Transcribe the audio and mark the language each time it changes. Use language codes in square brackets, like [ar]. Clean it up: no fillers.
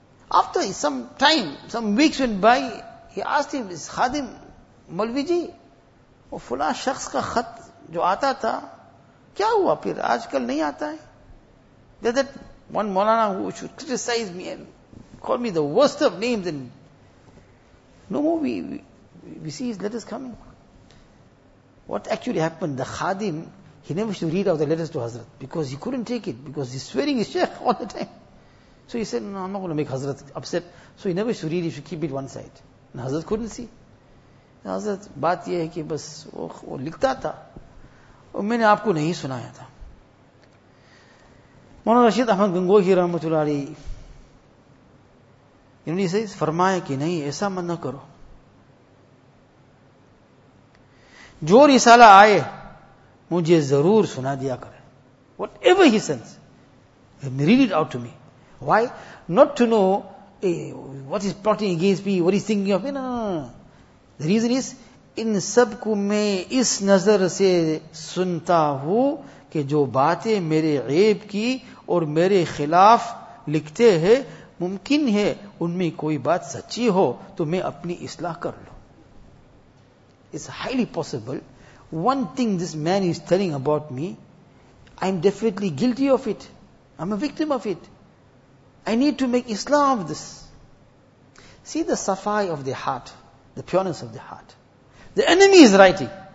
[en] After some time, some weeks went by, he asked him, "Is khadim Malviji, [ur] وہ فلاں شخص کا خط جو آتا تھا کیا ہوا پھر آج کل نہیں آتا ہے؟ [en] There's that one Maulana who should criticize me and call me the worst of names and no more we see his letters coming. What actually happened? The khadim, he never used to read out the letters to Hazrat because he couldn't take it, because he's swearing his sheikh all the time. So he said, "No, I'm not going to make Hazrat upset." So he never used to read, he should keep it one side. And Hazrat couldn't see. [ur] حضرت بات یہ ہے کہ بس وہ لکھتا تھا اور میں نے آپ کو نہیں سنایا تھا. مولانا رشید احمد گنگوہی رحمۃ اللہ علیہ انہوں نے فرمایا کہ نہیں ایسا مت نہ کرو, جو رسالہ آئے مجھے ضرور سنا دیا کرے. [en] Whatever he sends read it out to me. Why not to know what is plotting against me, what is thinking of me. The reason is, [ur] ان سب کو میں اس نظر سے سنتا ہوں کہ جو باتیں میرے عیب کی اور میرے خلاف لکھتے ہیں, ممکن ہے ان میں کوئی بات سچی ہو تو میں اپنی اصلاح کر لوں. [en] It's highly possible. One thing this man is telling about me, I'm definitely guilty of it. I'm a victim of it. I need to make اصلاح of this. See the safai of the heart. The pureness of the heart. The enemy is writing.